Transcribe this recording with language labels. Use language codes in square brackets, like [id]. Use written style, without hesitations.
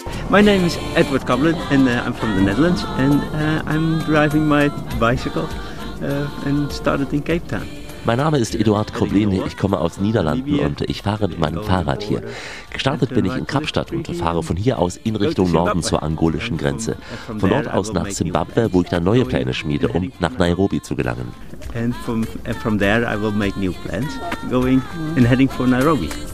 [en] My name is Edward Coblin and I'm from the Netherlands and I'm driving my bicycle and started in Cape Town. [de] Mein Name ist Eduard Koblin, ich komme aus Niederlanden und ich fahre mit meinem Fahrrad hier. Gestartet bin ich in Kapstadt und fahre von hier aus in Richtung Norden zur angolischen Grenze. Von dort aus nach Zimbabwe, wo ich dann neue Pläne schmiede, um nach Nairobi zu gelangen. [en] And from there I will make new plans going and heading for Nairobi.